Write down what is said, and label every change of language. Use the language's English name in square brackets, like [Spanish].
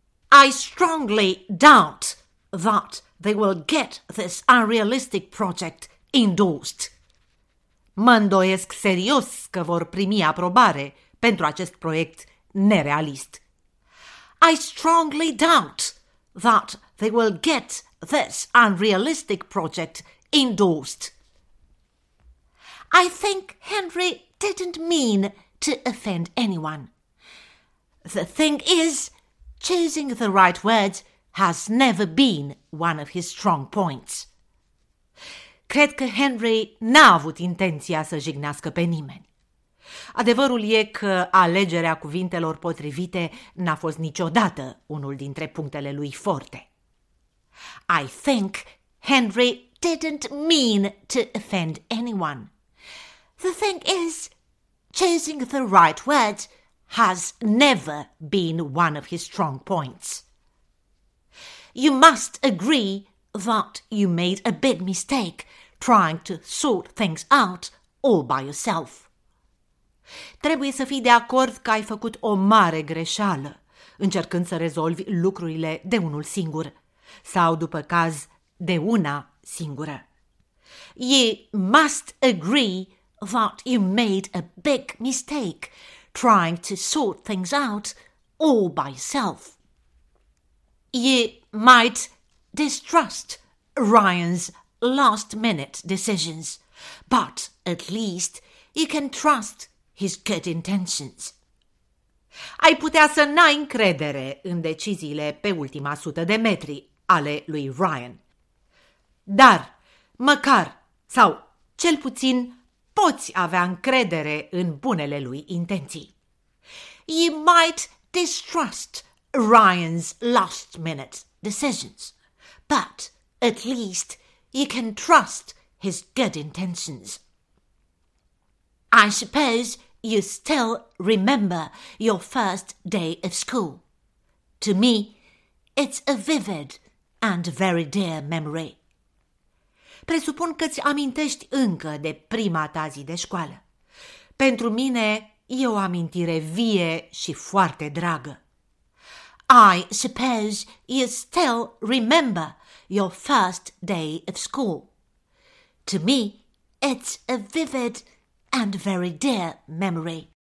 [English] I strongly doubt that they will get this unrealistic project endorsed. [Romanian] Mă îndoiesc serios că vor primi aprobare pentru acest proiect nerealist. [English] I strongly doubt that they will get this unrealistic project endorsed. I think Henry didn't mean to offend anyone. The thing is, choosing the right words has never been one of his strong points. [Romanian] Cred că Henry n-a avut intenția să jignească pe nimeni. Adevărul e că alegerea cuvintelor potrivite n-a fost niciodată unul dintre punctele lui forte. [English] I think Henry didn't mean to offend anyone. The thing is, choosing the right words has never been one of his strong points. You must agree that you made a big mistake trying to sort things out all by yourself. [Romanian] Trebuie să fii de acord că ai făcut o mare greșeală încercând să rezolvi lucrurile de unul singur sau, după caz, de una singură. [English] You must agree that you made a big mistake trying to sort things out all by yourself. You might distrust Ryan's last-minute decisions, but at least you can trust his good intentions. [Romanian] Ai putea să n-ai încredere în deciziile pe ultima sută de metri ale lui Ryan, Dar, măcar, sau cel puțin, poți avea încredere în bunele lui intenții. [English] You might distrust Ryan's last-minute decisions, but at least you can trust his good intentions. I suppose you still remember your first day of school. To me, it's a vivid and very dear memory. [Romanian] Presupun că îți amintești încă de prima ta zi de școală. Pentru mine e o amintire vie și foarte dragă. [English] I suppose you still remember your first day of school. To me, it's a vivid and very dear memory.